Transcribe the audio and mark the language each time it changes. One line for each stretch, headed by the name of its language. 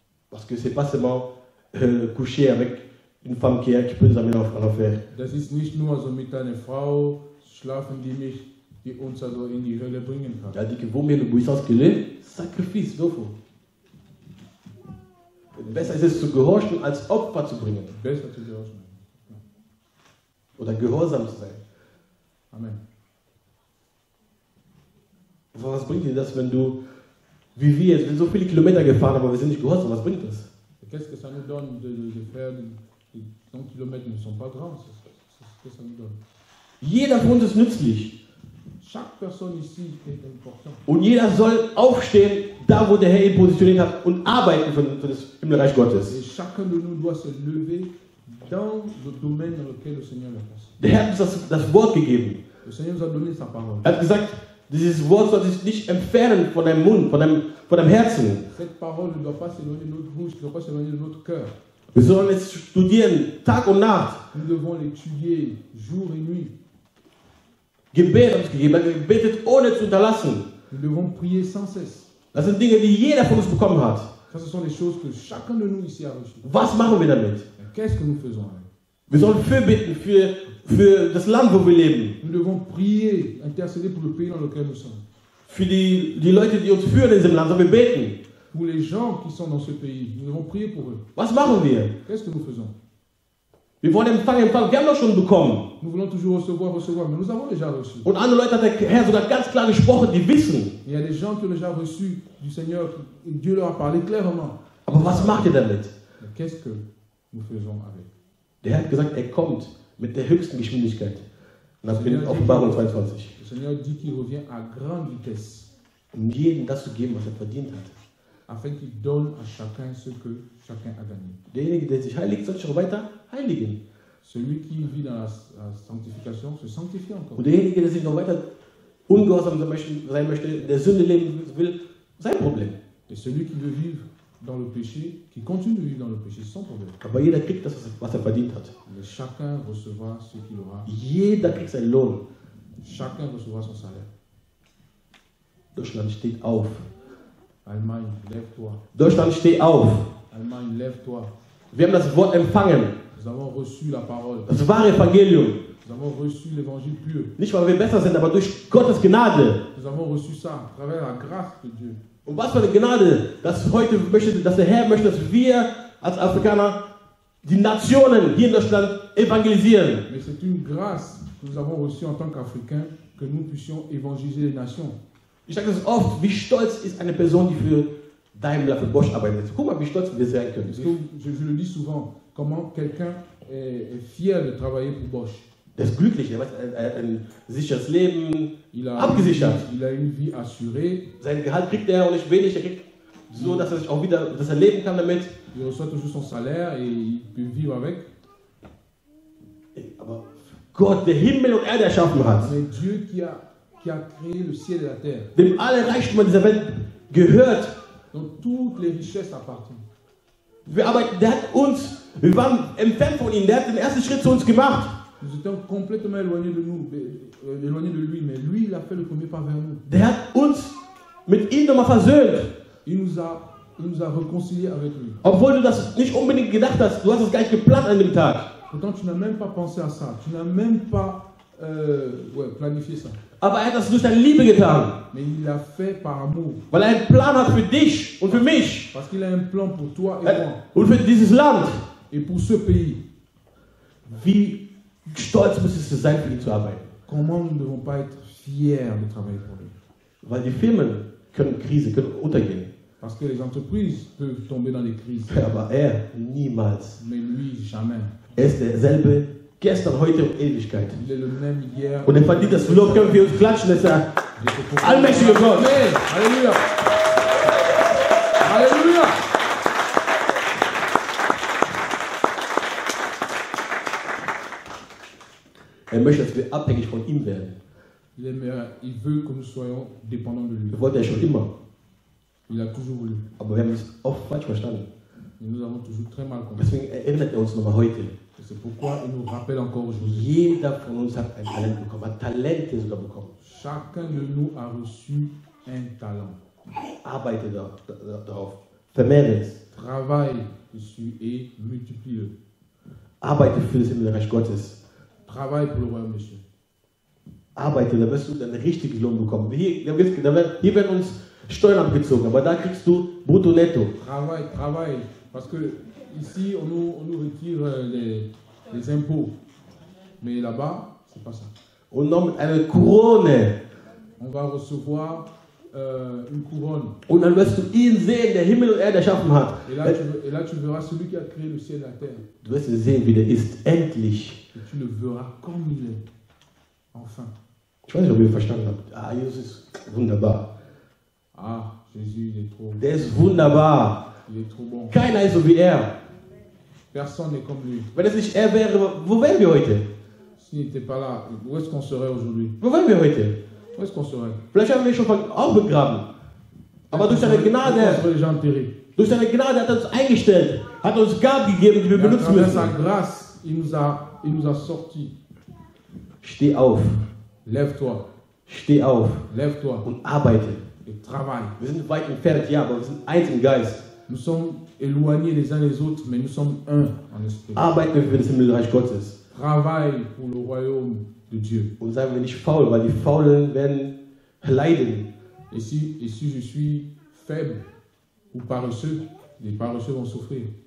French: Parce que c'est pas seulement coucher avec une femme qui peut nous amener en enfer.
German: Das ist nicht nur also mit einer Frau schlafen, die uns also in die Hölle bringen kann.
French: Il a dit que vaut mieux l'obéissance que le sacrifice, d'offre.
German: Besser ist es zu gehorchen, als Opfer zu bringen. Besser zu gehorchen. Oder gehorsam zu sein. Amen. Was bringt dir das, wenn du, wie wir jetzt, wir sind so viele Kilometer gefahren, aber wir sind nicht gehorsam, was bringt das?
French: Qu'est-ce que ça nous donne, de faire
German: die 10 Kilometer,
French: ne sont pas grands, qu'est-ce que ça nous donne?
German: Jeder von uns ist nützlich.
French: Chaque personne ici est important.
German: Und jeder soll aufstehen, da wo der Herr ihn positioniert hat, und arbeiten für das Himmelreich Gottes.
French: Et chacun de nous doit se lever dans le domaine dans lequel le Seigneur l'a placé.
German: Der Herr hat uns das Wort gegeben.
French: Le Seigneur nous a donné sa parole.
German: Er hat gesagt, dieses Wort soll sich nicht entfernen von deinem Mund, von deinem Herzen.
French: Cette parole ne doit pas s'éloigner de notre bouche, ne doit pas s'éloigner de notre cœur.
German: Wir sollen es studieren, Tag und Nacht.
French: Nous devons l'étudier jour et nuit.
German: Gebetet ohne zu unterlassen.
French: Nous devons prier sans cesse.
German: Das sind Dinge, die jeder von uns bekommen hat.
French: Das sont les choses que chacun de nous ici a reçues.
German: Was machen wir damit?
French: Qu'est-ce que nous faisons?
German: Wir sollen fürbitten für das Land, wo wir leben.
French: Nous devons prier, intercéder pour le pays dans lequel nous sommes.
German: Für die Leute, die uns führen in diesem Land, sollen wir beten.
French: Pour les gens qui sont dans ce pays, nous devons prier pour eux.
German: Was machen wir?
French: Qu'est-ce que nous faisons?
German: Wir wollen empfangen, wir haben doch schon bekommen.
French: Nous voulons toujours recevoir, mais nous avons déjà reçu.
German: Und andere Leute hat der Herr sogar ganz klar gesprochen, die wissen.
French: Il y a des gens qui ont déjà reçu du Seigneur, et Dieu leur a parlé clairement.
German: Aber was macht ihr damit?
French: Qu'est-ce que nous faisons avec?
German: Der Herr hat gesagt, er kommt mit der höchsten Geschwindigkeit. Nach Offenbarung 22.
French: Le Seigneur dit qu'il revient à grande vitesse.
German: Um jedem das zu geben, was verdient hat.
French: Afin qu'il donne à chacun ce que chacun a gagné.
German: Derjenige, der sich heiligt, soll sich weiter heiligen.
French: Celui qui vit dans la sanctification se sanctifie encore.
German: Und derjenige, der sich noch weiter ungehorsam sein möchte, der Sünde leben will, sein Problem.
French: Et celui qui veut vivre dans le péché, qui continue de vivre dans le péché, sans problème.
German: Aber jeder kriegt das, was verdient hat.
French: Mais chacun recevra ce qu'il aura.
German: Jeder kriegt sein Lohn.
French: Chacun recevra son salaire.
German: Deutschland steht auf.
French: Allemagne, lève-toi.
German: Deutschland, steh auf.
French: Allemagne, lève-toi.
German: Wir haben das Wort empfangen.
French: Nous avons reçu la parole.
German: Das wahre Evangelium.
French: Nous avons reçu l'évangile pur.
German: Nicht weil wir besser sind, aber durch Gottes Gnade.
French: Nous avons reçu ça à travers la grâce de Dieu.
German: Und was für eine Gnade, dass heute möchte, dass der Herr möchte, dass wir als Afrikaner die Nationen hier in Deutschland evangelisieren.
French: Mais c'est une grâce que nous avons reçue en tant qu'Africains, que nous puissions évangéliser les nations.
German: Ich sage das oft, wie stolz ist eine Person, die für Daimler, für Bosch arbeitet. Guck mal, wie stolz wir sein können.
French: Je le dis souvent, comment quelqu'un est fier de travailler pour Bosch.
German: Der ist glücklich, er hat ein sicheres Leben,
French: il a
German: abgesichert.
French: Il a une vie assurée.
German: Sein Gehalt kriegt er auch nicht wenig, er kriegt so, dass er sich auch wieder, dass er leben kann damit.
French: Il reçoit toujours son salaire et il peut vivre avec.
German: Aber Gott, der Himmel und Erde erschaffen hat.
French: Mais Dieu qui a créé le ciel et la terre.
German: Dem alle Reichtümer dieser Welt gehört.
French: Donc toutes les richesses appartiennent.
German: Wir aber der hat uns, wir waren entfernt von ihm, der hat den ersten Schritt zu uns gemacht.
French: Nous étions complètement éloignés de nous, éloignés de lui, mais lui, il a fait le premier pas vers nous.
German: Der hat uns mit ihm noch mal versöhnt.
French: Il nous a reconcilié avec lui.
German: Obwohl du das nicht unbedingt gedacht hast, du hast es gar nicht geplant an dem Tag.
French: Pourtant, tu n'as même pas pensé à ça. Tu n'as même pas planifié ça.
German: Aber er hat das durch deine Liebe getan.
French: Mais il l'a fait par amour.
German: Weil er einen Plan hat für dich und für mich.
French: Parce qu'il a un plan pour toi et moi.
German: Und für dieses Land.
French: Et pour ce pays.
German: Wie stolz müsstest du sein, für ihn zu arbeiten?
French: Comment nous ne devons pas être fiers de travailler pour lui?
German: Weil die Firmen können Krise, können untergehen.
French: Parce que les entreprises peuvent tomber dans les crises.
German: Aber er, niemals.
French: Mais lui, jamais.
German: Er ist derselbe gestern, heute und Ewigkeit.
French: Il est le même hier.
German: Und er verdient das Lob, können wir uns klatschen, dass er allmächtige Gott. Halleluja. Halleluja. Er möchte, dass wir abhängig von ihm werden.
French: Il aime, il veut que nous soyons dépendants de lui.
German: Das wollte er schon immer.
French: Il a toujours voulu.
German: Aber wir haben es oft falsch verstanden.
French: Et nous avons toujours très mal compris.
German: Deswegen erinnert er uns nochmal heute.
French: Et c'est pourquoi il nous rappelle encore aujourd'hui.
German: Jeder von uns hat ein Talent bekommen, ein Talent ist sogar bekommen.
French: Chacun de nous a reçu un talent.
German: Arbeite darauf. Vermehre es.
French: Travaille dessus et multiplie-le.
German: Arbeite für das Himmelreich Gottes.
French: Travaille pour le Royaume des Cieux.
German: Arbeite, da wirst du deinen richtigen Lohn bekommen. Hier werden uns Steuern abgezogen, aber da kriegst du brutto netto.
French: Travaille, travaille. Parce que ici, on nous retire les impôts. Mais là-bas, c'est pas ça.
German: Und noch mit einer Krone.
French: On va recevoir une couronne.
German: Und dann wirst du ihn sehen, der Himmel und Erde erschaffen hat.
French: Et là, tu verras celui qui a créé le ciel et la terre.
German: Du wirst sehen, wie der ist, endlich.
French: Et tu le verras comme il est. Enfin.
German: Ich weiß nicht, ob ihr verstanden habt. Ah, Jesus ist wunderbar.
French: Ah, Jésus, il est trop bon.
German: Der ist wunderbar.
French: Il est trop bon.
German: Keiner ist so wie er.
French: Personne n'est comme lui.
German: Wenn es nicht er wäre, wo wären wir heute?
French: S'il n'était pas là, où est-ce qu'on serait aujourd'hui?
German: Wo wären wir heute?
French: Où est-ce qu'on serait?
German: Vielleicht haben wir schon auch begraben. Aber durch seine Gnade. Durch seine Gnade hat er uns eingestellt, hat uns Gaben gegeben, die wir benutzen müssen.
French: Sa grâce, il nous a sorti.
German: Steh auf.
French: Lève-toi.
German: Steh auf.
French: Lève-toi.
German: Und arbeite.
French: Et travaille.
German: Wir sind weit entfernt, ja, aber wir sind eins im Geist.
French: Nous sommes éloignés les uns les autres, mais nous sommes un en esprit.
German: Arbeite für das Himmelreich Gottes.
French: Travaille pour le royaume de Dieu.
German: Und sei mir nicht faul, weil die Faulen werden leiden.
French: Et si je suis faible ou paresseux, les paresseux vont souffrir.